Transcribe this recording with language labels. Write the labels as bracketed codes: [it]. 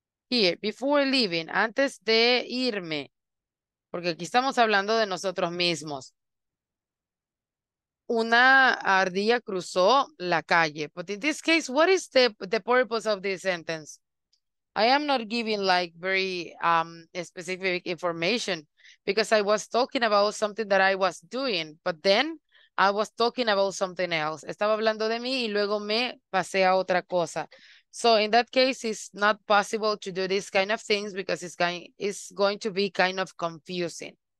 [en] Here, before leaving, [es] antes de irme, porque aquí estamos hablando de nosotros mismos. Una ardilla cruzó la calle. [en] But in this case, what is the purpose of this sentence? I am not giving like very specific information, because I was talking about something that I was doing, but then I was talking about something else. [es] Estaba hablando de mí y luego me pasé a otra cosa. [en] So in that case, it's not possible to do these kind of things, because it's going to be kind of confusing.